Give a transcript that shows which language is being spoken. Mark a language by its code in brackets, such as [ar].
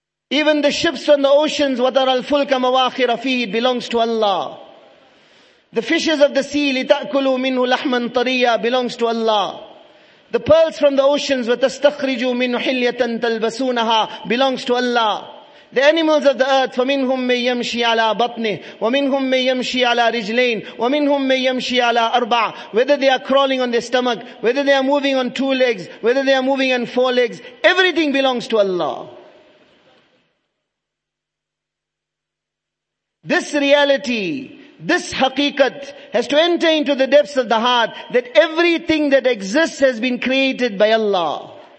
[en] Even the ships on the oceans, [ar] وَتَرَى الْفُلْكَ مَوَاخِرَ فِيهِ, [en] it belongs to Allah. The fishes of the sea, [ar] لِتَأْكُلُوا مِنْهُ لَحْمًا طَرِيًّا, [en] belongs to Allah. The pearls from the oceans, [ar] وَتَسْتَخْرِجُوا مِنْهُ حِلْيَةً تَلْبَسُونَهَا, [en] belongs to Allah. The animals of the earth, [ar] فَمِنْهُمْ مَنْ يَمْشِي عَلَىٰ بَطْنِهِ وَمِنْهُمْ مَنْ يَمْشِي عَلَىٰ رِجْلَيْنِ وَمِنْهُمْ مَنْ يَمْشِي عَلَىٰ أَرْبَعَ. [en] Whether they are crawling on their stomach, whether they are moving on two legs, whether they are moving on four legs, everything belongs to Allah. This reality, this haqiqat, has to enter into the depths of the heart, that everything that exists has been created by Allah.